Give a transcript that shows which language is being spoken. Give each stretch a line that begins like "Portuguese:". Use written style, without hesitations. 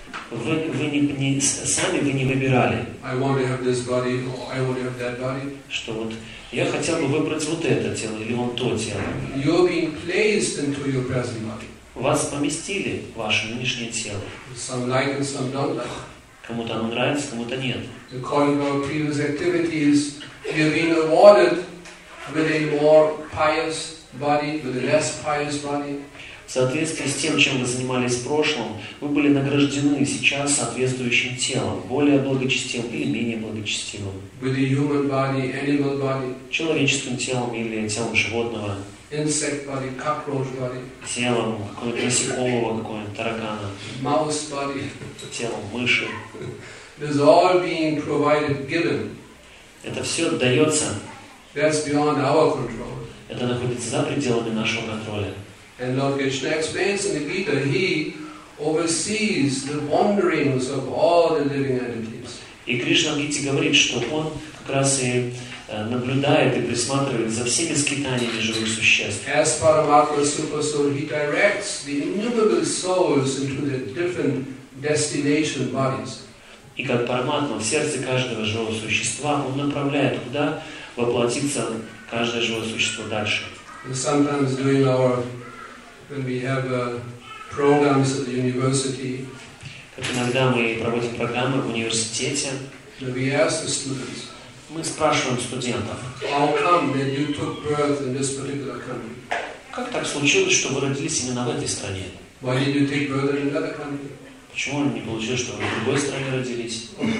Russian: Вы не выбирали, что вот я хотел бы выбрать вот это тело или вон то тело. Вас поместили в ваше нынешнее тело.
English: Some like and some don't like.
Russian: Кому-то оно нравится, кому-то нет.
English: According to our previous activities, you've been awarded with a more pious body, with a less pious body.
Russian: В соответствии с тем, чем вы занимались в прошлом, вы были награждены сейчас соответствующим телом, более благочестивым или менее благочестивым.
English: With a human body, animal body.
Russian: Человеческим телом или телом животного.
English: Insect body, cockroach body.
Russian: Телом какого-то насекомого, какого-нибудь таракана.
English: Mouse body.
Russian: Телом мыши.
English: This all being provided, given.
Russian: Это все дается.
English: That's beyond our control.
Russian: Это находится за пределами нашего контроля.
English: And Lord Krishna explains in the Gita, He oversees the wanderings of all the living entities.
Russian: И Кришна в Гите говорит, что он как раз и наблюдает и присматривает за всеми скитаниями живых существ.
English: As Paramatma Supa Soul, He directs the innumerable souls into their different destination bodies.
Russian: И как Параматма в сердце каждого живого существа, он направляет, куда воплотится каждое живое существо дальше.
English: And sometimes during our when we have programs at the university,
Russian: как иногда мы проводим программы в университете,
English: we ask the students,
Russian: мы спрашиваем студентов,
English: how come that you took birth in this particular country?
Russian: Как так случилось, что вы родились именно в этой стране?
English: Why did you take birth in another country?
Russian: Почему не получилось, что вы в другой стране родились?